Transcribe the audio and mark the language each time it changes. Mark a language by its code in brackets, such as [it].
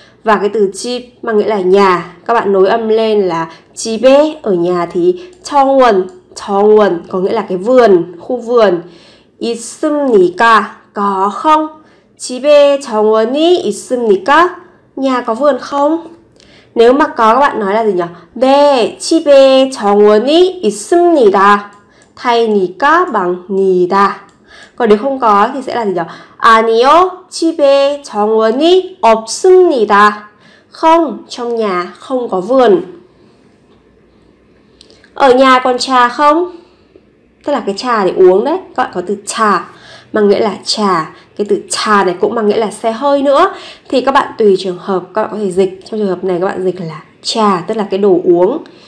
[vi] Và cái từ 집 mà nghĩa là nhà, các bạn nối âm lên là 집에 ở nhà thì 정원, 정원 có nghĩa là cái vườn, khu vườn. 있습니까 có không? [ko] 집에 정원이 있습니까? [vi] Nhà có vườn không? Nếu mà có các bạn nói là gì nhỉ? [ko] 네, 집에 정원이 있습니다. 다행이니까 막니다. [vi] Còn nếu không có thì sẽ là gì nhỉ? [ko] 아니요, 집에 정원이 없습니다. [vi] Không, trong nhà không có vườn. Ở nhà còn trà không? Tức là cái trà để uống đấy. Các bạn có từ 차 mà nghĩa là trà. Cái từ 차 này cũng mà nghĩa là xe hơi nữa. Thì các bạn tùy trường hợp các bạn có thể dịch. Trong trường hợp này các bạn dịch là 차, tức là cái đồ uống.